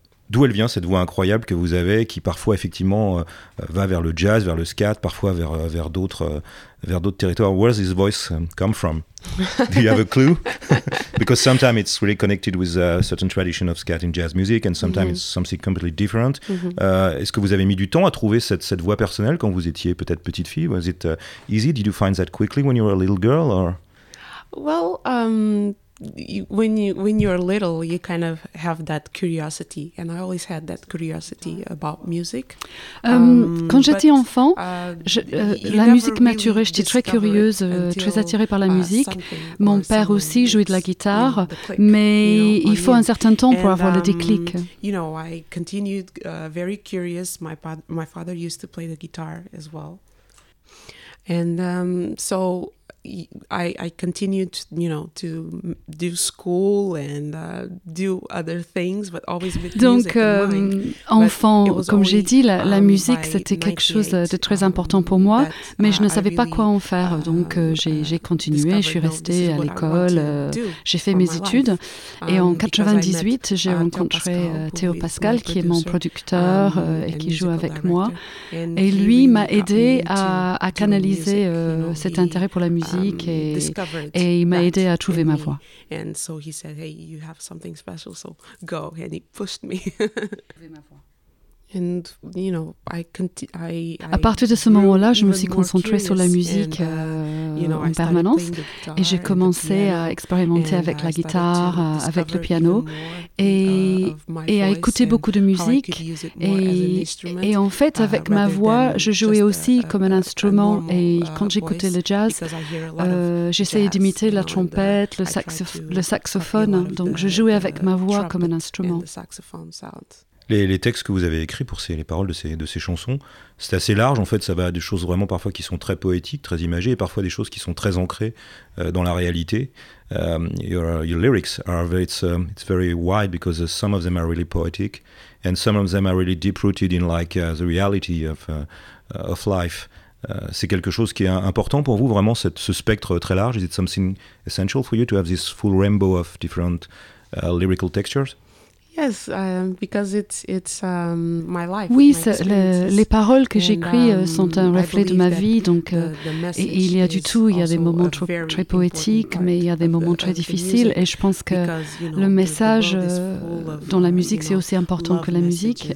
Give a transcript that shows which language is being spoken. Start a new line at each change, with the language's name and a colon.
French: D'où elle vient cette voix incroyable que vous avez, qui parfois effectivement va vers le jazz, vers le scat, parfois vers d'autres territoires.
English: Where does this voice come from? Do you have a clue? Because sometimes it's really connected with a certain tradition of scat in jazz music, and sometimes mm-hmm. it's something completely different. Mm-hmm.
French: Est-ce que vous avez mis du temps à trouver cette voix personnelle quand vous étiez peut-être petite fille?
English: Was it easy? Did you find that quickly when you were a little girl? Or well. When you're little, you kind of have that curiosity, and I always had that curiosity about music.
French: Quand j'étais enfant, la musique maturée, j'étais très curieuse, très attirée par la musique. Mon père aussi jouait de la guitare, mais il faut un certain temps pour avoir le déclic.
English: You know, I continued very curious. My father used to play the guitar as well, and so. I continued, you know, to do school and do other things, but always with
French: donc,
English: music in mind.
French: Donc, enfant, comme j'ai dit, la musique, c'était quelque chose de très important pour moi, mais je ne savais pas quoi en faire. Donc, j'ai continué, je suis restée à l'école, j'ai fait mes études. Et en 98, j'ai rencontré Théo Pascal, qui est mon producteur et qui joue avec moi. Et lui m'a aidée à canaliser cet intérêt pour la musique. Et il m'a aidé à trouver ma voix.
English: And so he said, hey, you have something special, so go. And he pushed me. And you know, I
French: à partir de ce moment-là, je me suis concentrée sur la musique en permanence, et j'ai commencé à expérimenter avec la guitare, avec le piano, et à écouter beaucoup de musique. Et en fait, avec ma voix, je jouais aussi comme un instrument. Et quand j'écoutais le jazz, j'essayais d'imiter la trompette, le saxophone. Donc, je jouais avec ma voix comme un instrument. Les textes que vous avez écrits pour les paroles de ces chansons, c'est assez large. En fait, ça va à des choses vraiment parfois qui sont très poétiques, très imagées, et parfois des choses qui sont très ancrées dans la réalité.
English: Your lyrics are it's very wide because some of them are really poetic, and some of them are really deep rooted in like the reality of life.
French: C'est quelque chose qui est important pour vous, vraiment ce spectre très large.
English: Is it something essential for you to have this full rainbow of different lyrical textures? Yes, because it's my life.
French: Oui,
English: my
French: les paroles que j'écris sont un reflet de ma vie. Donc, il y a du tout. Il y a des moments très poétiques, mais il y a des moments très difficiles. Et je pense que le message dans la musique, c'est aussi important que la musique.